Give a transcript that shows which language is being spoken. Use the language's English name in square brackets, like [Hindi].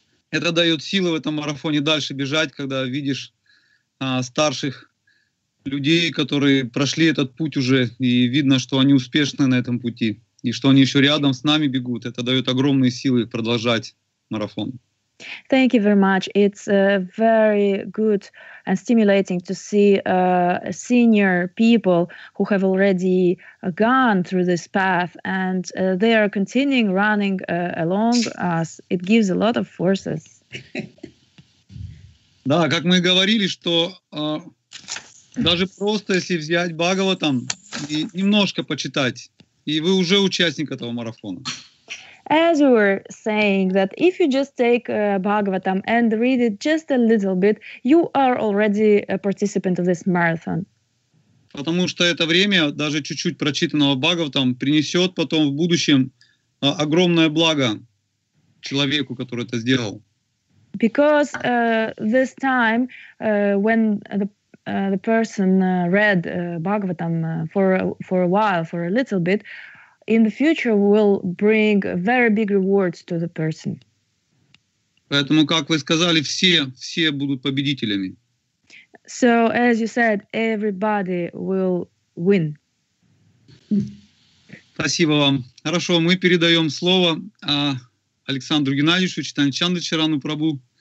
[Russian] Это дает силы в этом марафоне дальше бежать, когда видишь старших людей, которые прошли этот путь уже, и видно, что они успешны на этом пути, и что они еще рядом с нами бегут. Это дает огромные силы продолжать марафон. [English] Thank you very much. It's very good and stimulating to see senior people who have already gone through this path and they are continuing running along us. It gives a lot of forces. [Russian] Да, как мы говорили, что даже просто если взять Бхагаватам и немножко почитать, и вы уже участник этого марафона. [English] As we were saying, that if you just take Bhagavatam and read it just a little bit, you are already a participant of this marathon. [Russian] Потому что это время, даже чуть-чуть прочитанного Бхагаватам, принесет потом в будущем огромное благо человеку, который это сделал. [English] Because this time, when the person read Bhagavatam for a while, for a little bit, in the future will bring very big rewards to the person. [Russian] Поэтому, как вы сказали, все будут победителями. [English] So, as you said, everybody will win. [Russian] Спасибо вам. Хорошо, мы передаем слово Александру Геннадьевичу Читанчандачарану Прабу.